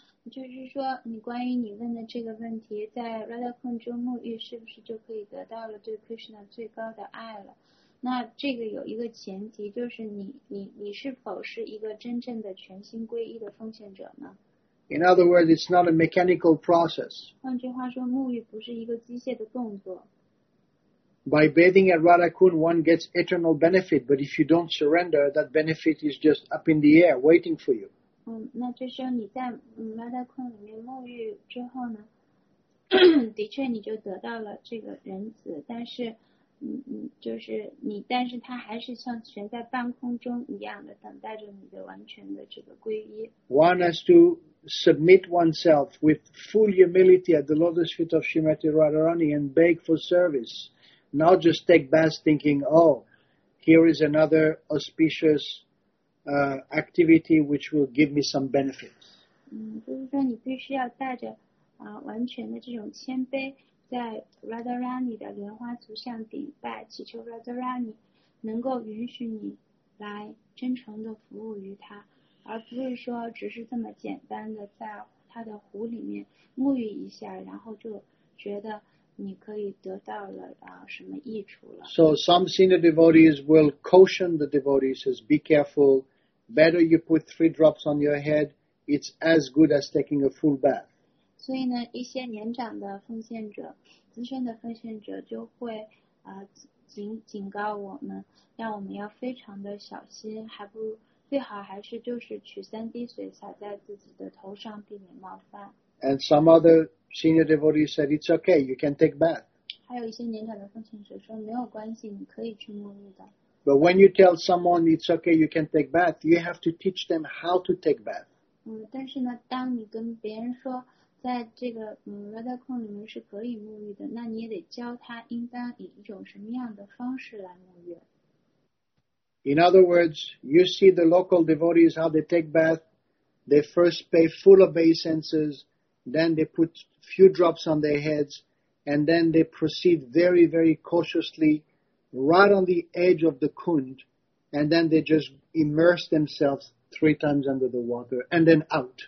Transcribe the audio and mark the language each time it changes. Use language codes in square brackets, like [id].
[zh] 就是说你关于你问的这个问题，在 Radha Kund 中沐浴是不是就可以得到了对 Krishna 最高的爱了？那这个有一个前提，就是你是否是一个真正的全心皈依的奉献者呢？ [en] In other words, it's not a mechanical process. [zh] 换句话说，沐浴不是一个机械的动作。 [en] By bathing at Radha Kund, one gets eternal benefit, but if you don't surrender, that benefit is just up in the air, waiting for you. [zh] 那就是你在Radha Kund里面沐浴之后呢, 的确你就得到了这个人子，但是就是你，但是他还是像悬在半空中一样的等待着你的完全的这个皈依。 [en] One has to submit oneself with full humility at the lotus feet of Srimati Radharani and beg for service, not just take baths thinking, oh, here is another auspicious activity which will give me some benefits. [zh] 就是说你必须要带着完全的这种谦卑在 Radharani 的莲花足下顶拜，祈求 Radharani 能够允许你来真诚的服务于他，而不是说只是这么简单的在他的湖里面沐浴一下，然后就觉得你可以得到了什么益处了。 [en] So some senior devotees will caution the devotees, says, be careful, better you put 3 drops on your head, it's as good as taking a full bath. [zh] 所以呢，一些年长的奉献者，资深的奉献者就会警告我们，让我们要非常的小心，还不如最好还是就是取3滴水洒在自己的头上，避免冒犯。 [en] And some other senior devotees said, it's okay, you can take bath. [zh] 还有一些年长的奉献者说，没有关系，你可以去沐浴的。 [en] But when you tell someone, it's okay, you can take bath, you have to teach them how to take bath. [zh] 但是呢，当你跟别人说，在这个Radha Kund里面是可以沐浴的，那你也得教他应当以一种什么样的方式来沐浴。 [en] In other words, you see the local devotees how they take bath. They first pay full obeisances, then they put few drops on their heads, and then they proceed very, very cautiously right on the edge of the kund, and then they just immerse themselves 3 times under the water, and then out.